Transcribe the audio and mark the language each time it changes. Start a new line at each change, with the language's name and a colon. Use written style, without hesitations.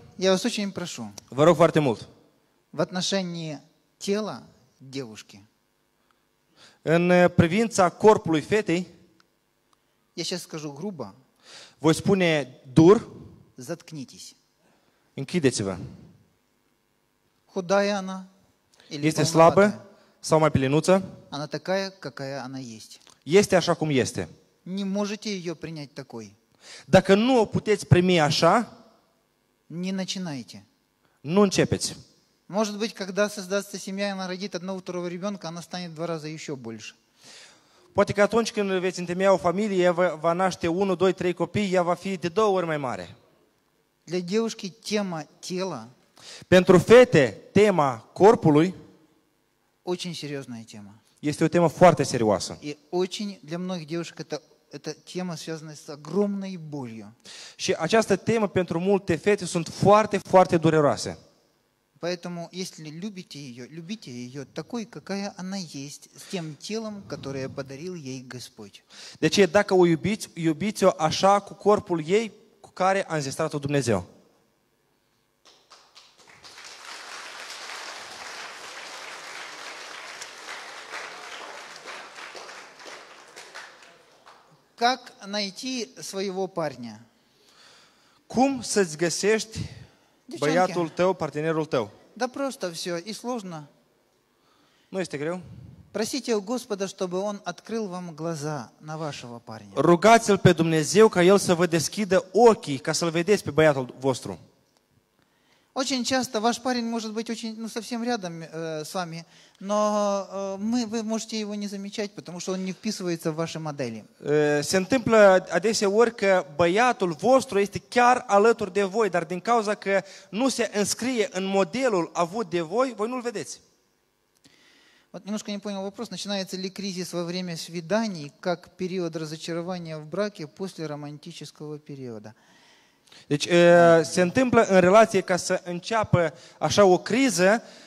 Romanian: Eu vă
Russian: очень прошу.
Romanian: Vă rog foarte mult.
Russian: В отношении тела девушки.
Romanian: În privința corpului fetei.
Russian: Я сейчас скажу грубо.
Romanian: Voi spune dur.
Russian: Заткнитесь.
Romanian: Închideți-vă.
Russian: Худая она.
Romanian: Este слабă sau mai пеленуță?
Russian: Она такая, какая она есть.
Romanian: Este așa cum este.
Russian: Не можете ее принять такой.
Romanian: Dacă nu o puteți primi așa,
Russian: не начинайте.
Romanian: Nu începeți.
Russian: Может быть, когда создастся семья, она родит одного второго ребенка, она станет два раза еще больше.
Romanian: Poate că atunci când veți întemeia o familie, va naște 1, 2, 3 copii, ea va fi de două ori mai mare.
Russian: Для девушки тема тела.
Romanian: Pentru fete, tema corpului.
Russian: Очень серьезная тема.
Romanian: Este o temă foarte serioasă.
Russian: И очень для многих девушек это тема связана с огромной болью.
Romanian: Și această temă pentru multe fete sunt foarte, foarte dureroase.
Russian: Поэтому, если любите ее такой, какая она есть, с тем телом, которое подарил ей Господь.
Romanian: Deci, dacă o iubiți, iubiți-o așa cu corpul ei cu care a înzestrat-o Dumnezeu.
Russian: Как найти своего парня?
Romanian: Cum să-ți găsești băiatul tău, partenerul tău?
Russian: Да просто все, и сложно.
Romanian: Nu este greu.
Russian: Просите у Господа, чтобы он открыл вам глаза на вашего парня.
Romanian: Rugați-l pe Dumnezeu ca el să vă deschidă ochii, ca să-l vedeți pe băiatul vostru.
Russian: Очень часто ваш парень может быть очень, ну, совсем рядом с вами, но вы можете его не замечать, потому что он не вписывается в ваши модели.
Romanian: Se întâmplă adesea ori că băiatul vostru este chiar alături de voi, dar din cauza că nu se înscrie în modelul avut de voi, voi nu-l vedeți.
Russian: Вот немножко не понял вопрос, начинается ли кризис во время свиданий, как период разочарования в браке после романтического периода?
Romanian: Deci se întâmplă în relație ca să înceapă așa o criză.